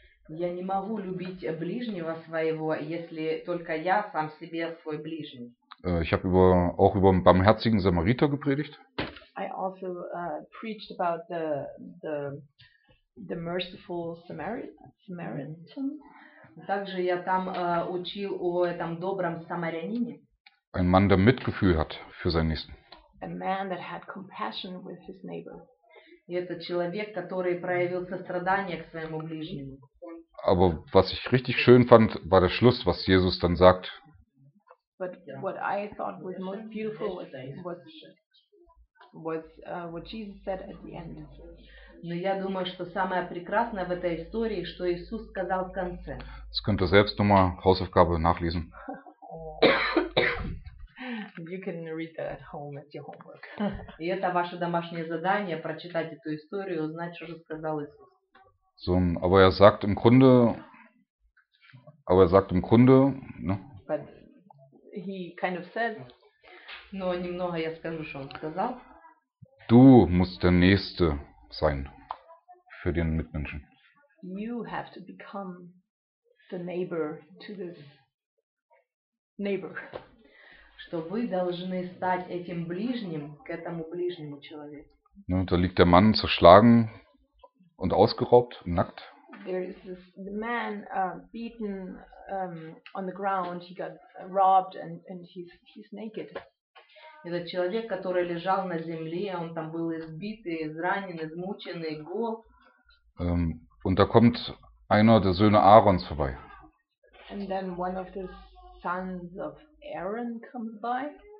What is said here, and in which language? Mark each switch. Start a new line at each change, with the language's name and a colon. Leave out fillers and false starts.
Russian: Я не могу любить ближнего своего, если только я сам себе свой ближний.
German: Ich habe auch über den barmherzigen Samariter gepredigt.
English: I also preached about the merciful Samaritan.
Russian: Также я там учил о этом добром самарянине.
German: Ein Mann, der Mitgefühl hat für seinen Nächsten.
English: A man that had compassion with his neighbor.
Russian: И это человек, который проявил сострадание к своему ближнему.
German: Aber was ich richtig schön fand, war der Schluss, was Jesus dann sagt.
English: But what I thought was most beautiful was what Jesus said at the end.
Russian: Но я думаю, что самое прекрасное в этой истории, что Иисус сказал в конце.
German: Das könnt ihr selbst nochmal Hausaufgabe nachlesen.
English: You can read that at home at your homework.
Russian: И это ваше домашнее задание, прочитать эту историю, узнать, что же сказал Иисус.
German: So, aber er sagt im Grunde, ne?
English: But he kind of said,
Russian: но немного я скажу, что он сказал.
German: Du musst der Nächste sein für den Mitmenschen.
English: You have to become the neighbor to this neighbor.
Russian: Что вы должны стать этим ближним к этому ближнему человеку.
German: Ne, da liegt der Mann zerschlagen. Und ausgeraubt, nackt.
English: There is this the man beaten on the ground. He got robbed and he's naked.
Russian: Этот человек, который лежал на земле, он там был избитый, изранен, измученный, гол.
German: Und da kommt einer der Söhne Aarons vorbei.
English: And then one of the sons of Aaron comes by.